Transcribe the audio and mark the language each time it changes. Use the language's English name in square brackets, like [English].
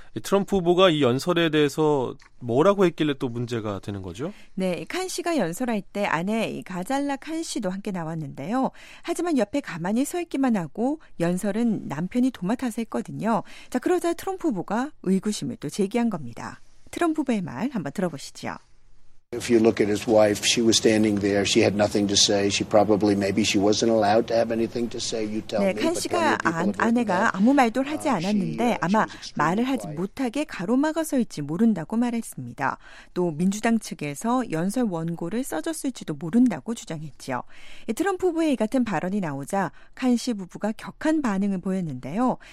[Korean] 트럼프 후보가 이 연설에 대해서 뭐라고 했길래 또 문제가 되는 거죠? 네, 칸 씨가 연설할 때 아내 가잘라 칸 씨도 함께 나왔는데요. 하지만 옆에 가만히 서 있기만 하고 연설은 남편이 도맡아서 했거든요. 자, 그러자 트럼프 후보가 의구심을 또 제기한 겁니다. 트럼프 후보의 말 한번 들어보시죠. [English] If you look at his wife, she was standing there. She had nothing to say. She probably, maybe she wasn't allowed to have anything to say. You tell [Korean] 네, [English] me. [Korean] 네, 칸 씨가 아내가 아무 말도 하지 않았는데 아마 말을 하지 못하게 가로막아서일지 모른다고 말했습니다. 또 민주당 측에서 연설 원고를 써줬을지도 모른다고 주장했지요. 트럼프 부부의 이 같은 발언이 나오자 칸 씨 부부가 격한 반응을 보였는데요.